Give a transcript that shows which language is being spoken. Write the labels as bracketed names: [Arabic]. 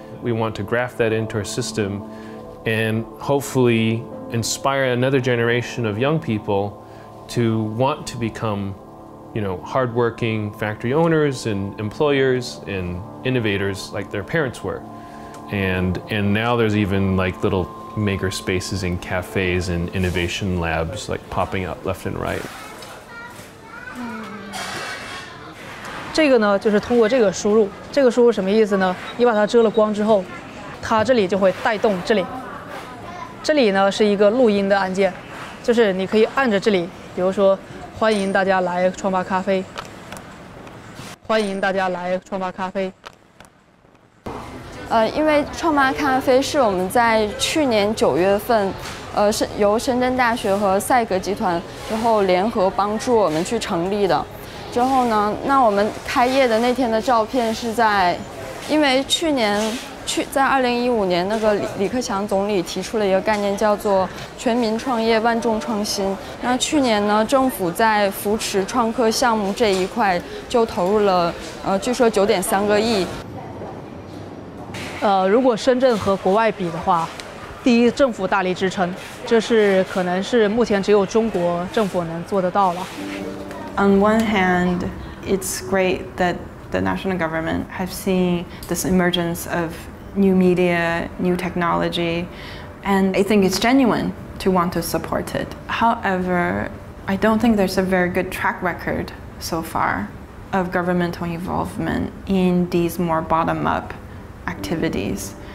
[English] We want to graft that into our system and hopefully inspire another generation of young people to want to become, you know, hardworking factory owners and employers and innovators like their parents were. And now there's even like little maker spaces and cafes and innovation labs like popping up left and right. [Chinese] 这个呢就是通过这个输入，这个输入什么意思呢？你把它遮了光之后，它这里就会带动这里。这里呢是一个录音的按键，就是你可以按着这里，比如说欢迎大家来创吧咖啡，欢迎大家来创吧咖啡。因为创吧咖啡是我们在去年九月份由深圳大学和赛格集团之后联合帮助我们去成立的。之后呢，那我们开业的那天的照片是在，因为在2015年那个李克强总理提出了一个概念叫做全民创业万众创新。那去年呢，政府在扶持创客项目这一块就投入了据说9.3亿。如果深圳和国外比的话，第一，政府大力支撑，这是可能是目前只有中国政府能做得到了。 [English] On one hand, it's great that the national government have seen this emergence of new media, new technology, and I think it's genuine to want to support it. However, I don't think there's a very good track record so far of governmental involvement in these more bottom-up activities.